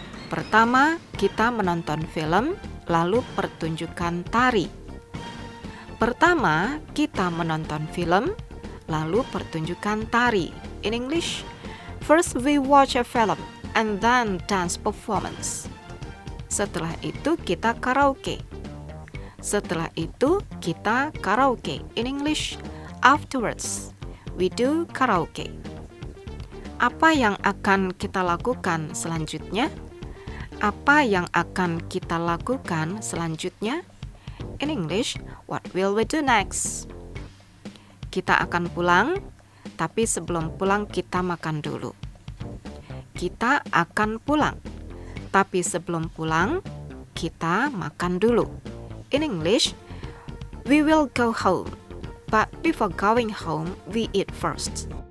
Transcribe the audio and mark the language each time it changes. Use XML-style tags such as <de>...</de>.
<id>Pertama, kita menonton film, lalu pertunjukan tari. Pertama, kita menonton film, lalu pertunjukan tari.</id> <en>In English, first we watch a film, and then dance performance.</en> <id>Setelah itu, kita karaoke. Setelah itu, kita karaoke.</id> <en>In English, afterwards, we do karaoke.</en> <id>Apa yang akan kita lakukan selanjutnya? Apa yang akan kita lakukan selanjutnya?</id> <en>In English, what will we do next?</en> <id>Kita akan pulang, tapi sebelum pulang kita makan dulu. Kita akan pulang, tapi sebelum pulang kita makan dulu.</id> <en>In English, we will go home, but before going home, we eat first.</en>